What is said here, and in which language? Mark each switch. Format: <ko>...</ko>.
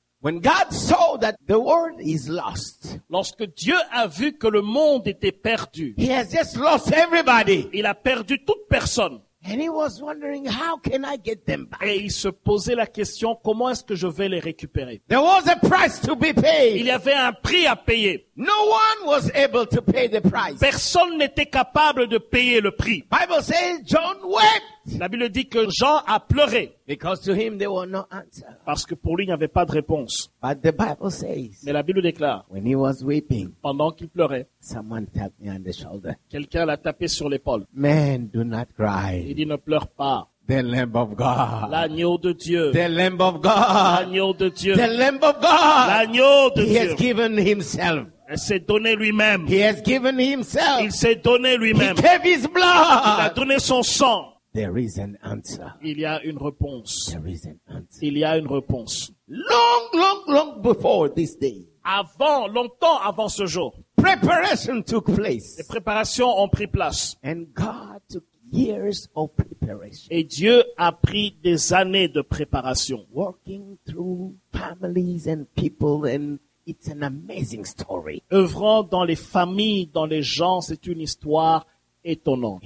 <en>When God saw that the world is lost.</en> <fr>Lorsque Dieu a vu que le monde était perdu.</fr> <en>He has just lost everybody.</en> <fr>Il a perdu toute personne.</fr> <en>And he was wondering how can I get them back.</en> <fr>Et il se posait la question comment est-ce que je vais les récupérer.</fr> <en>There was a price to be paid.</en> <fr>Il y avait un prix à payer.</fr> <en>No one was able to pay the price.</en> <fr>Personne n'était capable de payer le prix.</fr> <en>Bible says John wept.</en> <fr>La Bible dit que Jean a pleuré.</fr> <en>Because to him there were no answer.</en> <fr>Parce que pour lui il n'y avait pas de réponse.</fr> <en>But the Bible says.</en> <fr>Mais la Bible déclare.</fr> <en>When he was weeping.</en> <fr>Pendant qu'il pleurait.</fr> <en>Someone tapped me on the shoulder.</en> <fr>Quelqu'un l'a tapé sur l'épaule.</fr> <en>Man, do not cry.</en> <fr>Il dit ne pleure pas.</fr> <en>The Lamb of God.</en> <fr>L'agneau de Dieu.</fr> <en>The Lamb of God.</en> <fr>L'agneau de Dieu.</fr> <en>The Lamb of God.</en> <fr>L'agneau de</fr> <en>he He has given himself.</en> <fr>Il s'est donné lui-même.</fr> <en>He has given himself.</en> <fr>Il s'est donné lui-même.</fr> <en>He gave his blood.</en> <fr>Il a donné son sang.</fr> <en>There is an answer.</en> <fr>Il y a une réponse.</fr> <en>There is an answer.</en> <fr>Il y a une réponse.</fr> <en>Long, long, long before this day.</en> <fr>avant, longtemps avant ce jour.</fr> <en>Preparation took place.</en> <fr>Les préparations ont pris place.</fr> <en>And God took years of preparation.</en> <fr>Et Dieu a pris des années de préparation.</fr> <en>Working through families and people, and it's an amazing story.</en> <fr>Œuvrant dans les familles, dans les gens, c'est une histoire étonnante.</fr>